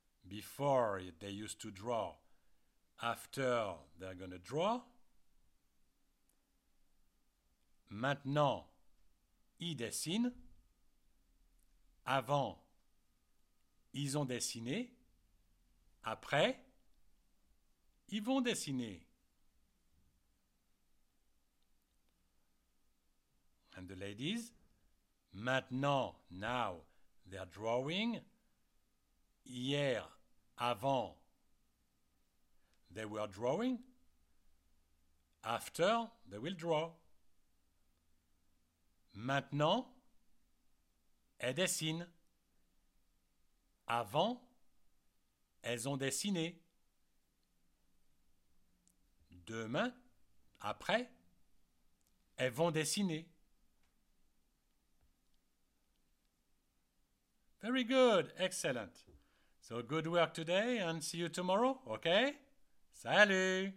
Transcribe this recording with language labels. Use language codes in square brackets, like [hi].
[en] Before, they used to draw. After, they're gonna draw. [fr] Maintenant, ils dessinent. Avant, ils ont dessiné. Après, ils vont dessiner. [en] And the ladies, [fr] maintenant, [en] now, they're drawing. [fr] Hier, avant, [en] they were drawing. After, they will draw. [fr] Maintenant, elles dessinent. Avant, elles ont dessiné. Demain, après, elles vont dessiner. [en] Very good, excellent. So good work today and see you tomorrow, okay? Salut!